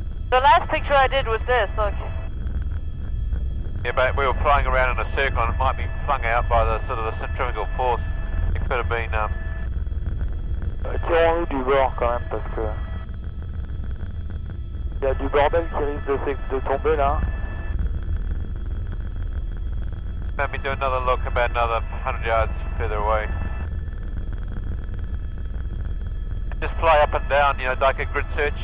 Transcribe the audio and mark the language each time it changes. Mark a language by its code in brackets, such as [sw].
[en] The last picture I did was this, look. Yeah, but we were flying around in a circle and it might be flung out by the sort of the centrifugal force. It could have been, [fr] Tirons-nous du bord quand même, parce que... Il y a du bordel qui risque de tomber là. [en] Let me do another look about another 100 yards further away. And just fly up and down, you know, like a grid search.